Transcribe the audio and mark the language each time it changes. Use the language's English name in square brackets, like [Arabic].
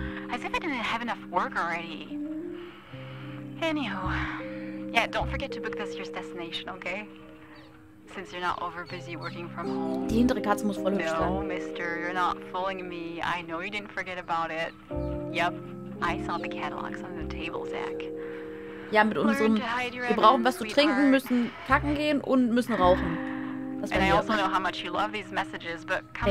[English] As if I didn't have enough work already. Anywho. Yeah, don't forget to book this year's destination, okay? Since you're not over busy working from home. [German] Die hintere Katze muss voll hübsch sein. [English] No, mister, you're not fooling me. I know you didn't forget about it. Yep. I saw the catalogs on the table, Zach. [German] Ja, mit unserem. Wir brauchen was zu trinken, müssen kacken gehen und müssen rauchen. Das [English] and I also know how much you love these messages, but come